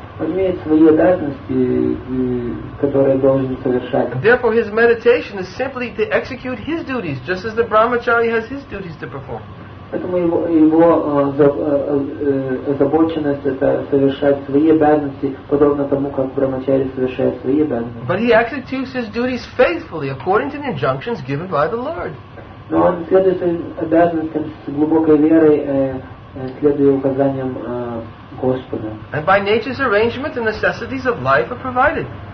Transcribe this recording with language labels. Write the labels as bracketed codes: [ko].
[ru] Он имеет свои обязанности, которые должен совершать. [en] Therefore, his meditation is simply to execute his duties, just as the brahmachari has his duties to perform. [ru] Поэтому его озабоченность это совершать свои обязанности, подобно тому, как брахмачари совершает свои обязанности. [en] But he executes his duties faithfully, according to the injunctions given by the Lord. [ru] Но он следует своим обязанностям с глубокой верой, следуя указаниям Господа. [en] And by nature's arrangement, the necessities of life are provided.